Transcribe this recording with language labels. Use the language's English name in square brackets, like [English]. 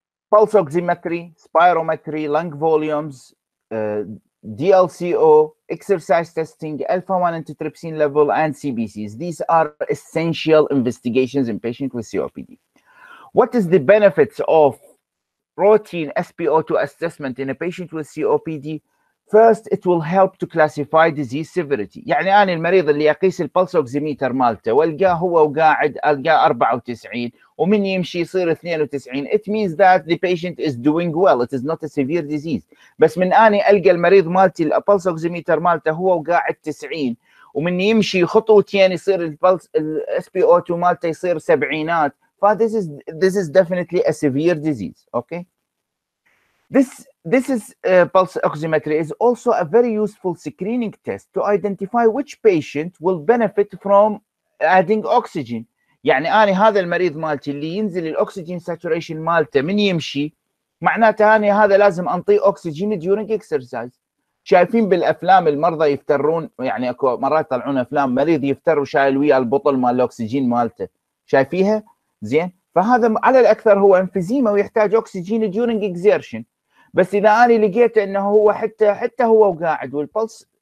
[English] Pulse oximetry, spirometry, lung volumes, DLCO, exercise testing, alpha 1 antitrypsin level, and CBCs. These are essential investigations in patient with COPD. What is the benefits of routine SpO2 assessment in a patient with COPD? First, it will help to classify disease severity. [Arabic] يعني أنا المريض اللي يقيس البلس أوكسيميتر مالته والقاه هو وقاعد القاه 94 ومن يمشي يصير 92. [English] It means that the patient is doing well. It is not a severe disease. [Arabic] بس من أنا ألقى المريض مالتي البلس أوكسيميتر مالته هو وقاعد 90 ومن يمشي خطوتين يصير البلس SpO2 مالته يصير سبعينات. [English] But this is definitely a severe disease, okay? This is pulse oximetry is also a very useful screening test to identify which patient will benefit from adding oxygen. [Arabic] يعني أنا هذا المريض مالتي اللي ينزل الأكسجين ساتوريشن مالته من يمشي معناته أنا هذا لازم أنطي أكسجين [English] during exercise. [Arabic] شايفين بالأفلام المرضى يفترون يعني أكو مرات يطلعون أفلام مريض يفتر وشايل ويا البطل مال الأكسجين مالته شايفيها؟ زين فهذا على الاكثر هو انفيزيما ويحتاج اكسجين ديورنج اكزيرشن بس اذا انا لقيت انه هو حتى هو قاعد والبلس